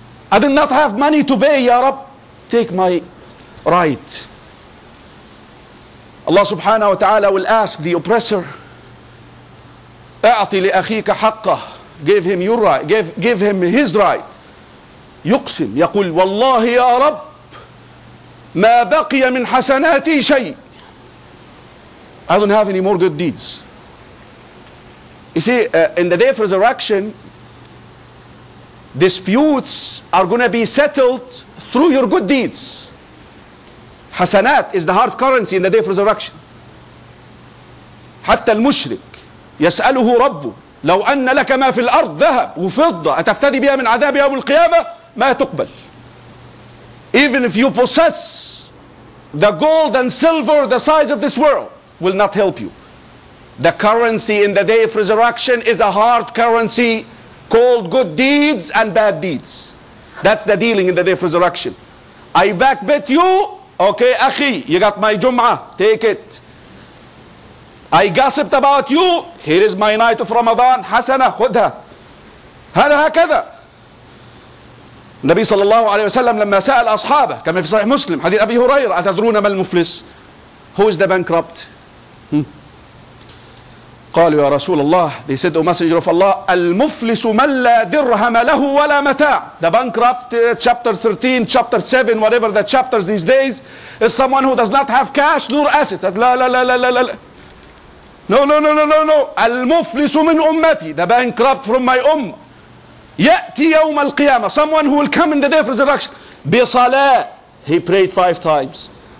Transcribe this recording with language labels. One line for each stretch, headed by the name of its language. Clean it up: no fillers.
English: I did not have money to pay, ya Rab. Take my right. Allah subhanahu wa ta'ala will ask the oppressor,
Arabic: أعطي لأخيك حقه.
English: Give him your right. Give him his right.
Arabic: يقسم يقول والله يا رب ما بقي من حسناتي شيء.
English: I don't have any more good deeds. You see, in the day of resurrection, disputes are going to be settled through your good deeds. حسنات is the hard currency in the day of resurrection.
Arabic: حتى المشرك يسأله ربه لو أن لك ما في الأرض ذهب وفضة أتفتدي بها من عذاب يوم القيامة, ما تقبل.
English: Even if you possess the gold and silver the size of this world, will not help you. The currency in the day of resurrection is a hard currency called good deeds and bad deeds. That's the dealing in the day of resurrection. I backbit you, okay, أخي, you got my Jum'ah, take it. I gossiped about you, here is my night of Ramadan,
Arabic: حسنة خذها. هذا هكذا. النبي صلى الله عليه وسلم لما سأل أصحابه كما في صحيح مسلم حديث أبي هريرة, أتدرون ما المفلس؟
English: Who is the bankrupt?
Arabic: قالوا يا رسول الله,
English: they said, O Messenger of Allah,
Arabic: المفلس من لا درهم له ولا متاع.
English: The bankrupt, chapter 13, chapter 7, whatever the chapters these days, is someone who does not have cash nor assets.
Arabic: لا لا لا لا لا لا.
English: No, no, no, no, no, no.
Arabic: المفلس من أمتي.
English: The bankrupt from my ummah.
Arabic: يأتي يوم القيامة.
English: Someone who will come in the day of resurrection.
Arabic: بصلاة,
English: he prayed 5 times.